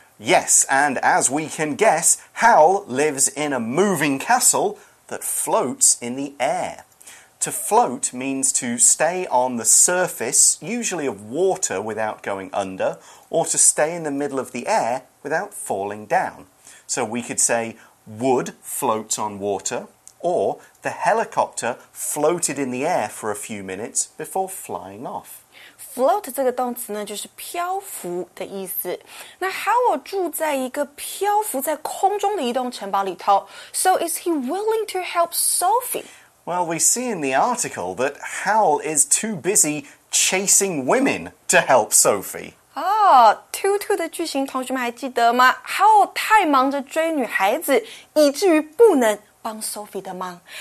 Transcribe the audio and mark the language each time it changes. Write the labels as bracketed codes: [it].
[en] Yes, and as we can guess Howl lives in a moving castle that floats in the airTo float means to stay on the surface, usually of water without going under, or to stay in the middle of the air without falling down. So we could say, wood floats on water, or the helicopter floated in the air for a few minutes before flying off. [zh] Float 这个动词呢就是漂浮的意思。那 Howl 住在一个漂浮在空中的移动城堡里头。 [en] So is he willing to help Sophie? Well, we see in the article that Howl is too busy chasing women to help Sophie. [zh] Oh, too 的句型同学们还记得吗 ?Howl 太忙着追女孩子以至于不能帮 Sophie 的忙。